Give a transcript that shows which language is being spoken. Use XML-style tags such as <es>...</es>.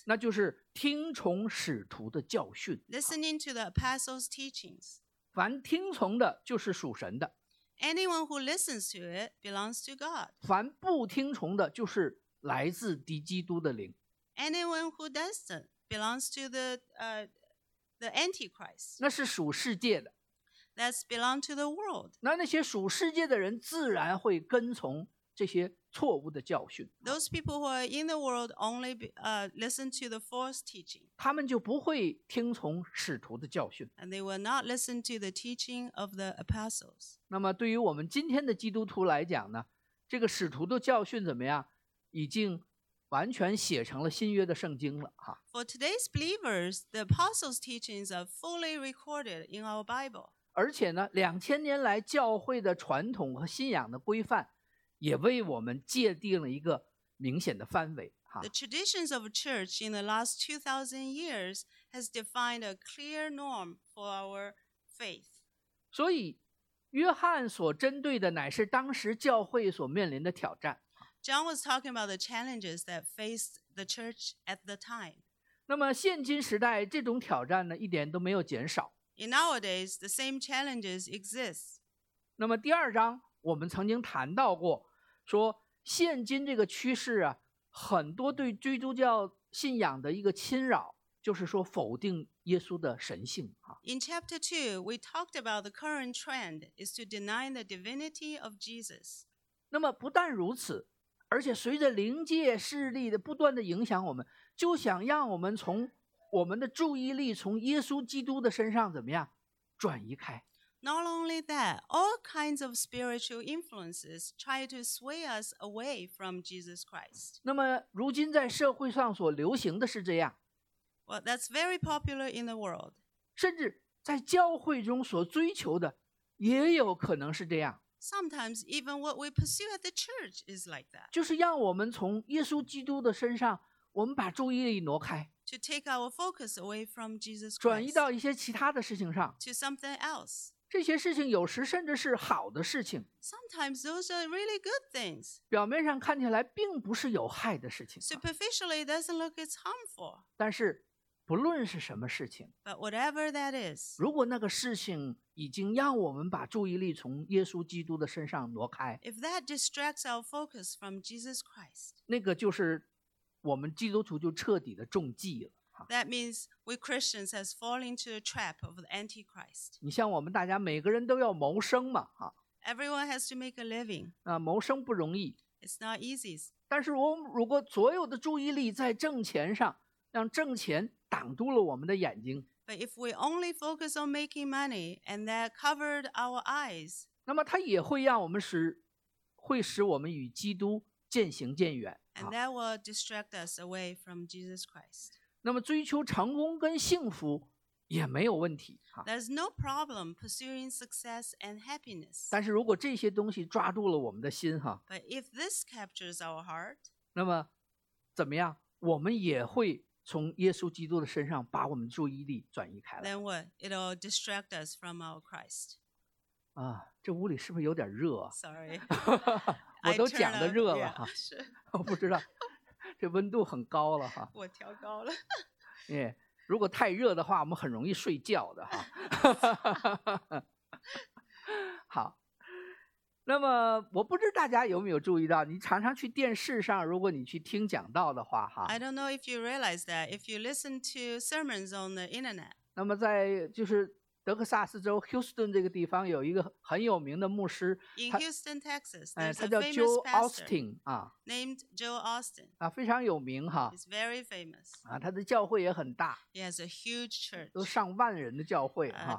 <zh>那就是听从使徒的教训。</zh> <en>Listening to the apostles' teachings.</en> <zh>凡听从的就是属神的。</zh> <en>Anyone who listens to it belongs to God.</en> <zh>凡不听从的就是来自敌基督的灵。</zh> <en>Anyone who doesn't. Belongs to the Antichrist.</en> <zh>那是属世界的。</zh> <en>That's belong to the world.</en> <zh>那些属世界的人自然会跟从这些错误的教训。</zh> <en>Those people who are in the world only listen to the false teaching.</en> <zh>他们就不会听从使徒的教训。</zh> <en>And they will not listen to the teaching of the apostles.</en> <zh>那么对于我们今天的基督徒来讲呢，这个使徒的教训怎么样？已经。完全写成了新约的圣经了。</zh> <en>For today's believers, the apostles' teachings are fully recorded in our Bible.</en> <zh>而且呢，两千年来教会的传统和信仰的规范，也为我们界定了一个明显的范围。</zh> <en>The traditions of church in the last 2,000 years has defined a clear norm for our faith.</en> <zh>所以，约翰所针对的乃是当时教会所面临的挑战。</zh> <en>John was talking about the challenges that faced the church at the time.</en> <zh>那么现今时代这种挑战呢一点都没有减少。</zh> <en>In nowadays, the same challenges exist.</en> <zh>那么第二章我们曾经谈到过说现今这个趋势啊很多对基督教信仰的一个侵扰就是说否定耶稣的神性。</zh> <en>In chapter 2, we talked about the current trend is to deny the divinity of Jesus.</en> <zh>那么不但如此而且随着灵界势力的不断的影响我们就想让我们从我们的注意力从耶稣基督的身上怎么样转移开</zh> <en>Not only that, all kinds of spiritual influences try to sway us away from Jesus Christ</en> <zh>那么如今在社会上所流行的是这样</zh> <en>Well, that's very popular in the world</en> <zh>甚至在教会中所追求的也有可能是这样</zh> <en>Sometimes even what we pursue at the church is like that.</en> <zh>就是让我们从耶稣基督的身上，我们把注意力挪开。</zh> <en>To take our focus away from Jesus Christ.</en> <zh>转移到一些其他的事情上。</zh> <en>To something else.</en> <zh>这些事情有时甚至是好的事情。</zh> <en>Sometimes those are really good things.</en> <zh>表面上看起来并不是有害的事情。</zh> <en>Superficially, it doesn't look it's harmful.</en> <zh>但是不论是什么事情</zh> <en>But whatever that is,</en> <zh>如果那个事情已经让我们把注意力从耶稣基督的身上挪开</zh> <en>If that distracts our focus from Jesus Christ,</en> <zh>那个就是我们基督徒就彻底的中计了</zh> <en>That means we Christians have fallen into the trap of the Antichrist</en> <zh>你像我们大家每个人都要谋生嘛</zh> <en>Everyone has to make a living</en> <zh>那谋生不容易</zh> <en>It's not easy</en> <zh>但是我如果所有的注意力在挣钱上让挣钱挡住了我们的眼睛</zh> <en>But if we only focus on making money and that covered our eyes</en> <zh>那么它也会让我们使我们与基督渐行渐远</zh> <en>And that will distract us away from Jesus Christ</en> <zh>那么追求成功跟幸福也没有问题</zh> <en>There's no problem pursuing success and happiness</en> <zh>但是如果这些东西抓住了我们的心</zh> <en>But if this captures our heart</en> <zh>那么怎么样我们也会从耶稣基督的身上把我们注意力转移开来。</zh> <en>Then what? It'll distract us from our Christ.</en> <zh>啊，这屋里是不是有点热</zh> <en>？Sorry，</en> <zh>我都讲的热了哈。是。我不知道，这温度很高了哈。我调高了。如果太热的话，我们很容易睡觉的哈。好，那么我不知道大家有没有注意到，你常常去电视上，如果你去听讲道的话，哈。</zh> <en>I don't know if you realize that if you listen to sermons on the internet.</en> <zh>那么在就是德克萨斯州休斯顿这个地方有一个很有名的牧师</zh> <en>，In Houston, Texas,</en> <zh>他叫 Joe Austin 啊</zh> <en>，named Joe Austin</en> <zh>啊，非常有名哈。</zh> <en>He's very famous</en> <zh>啊，他的教会也很大</zh> <en>，He has a huge church，</en> <zh>都上万人的教会啊</zh>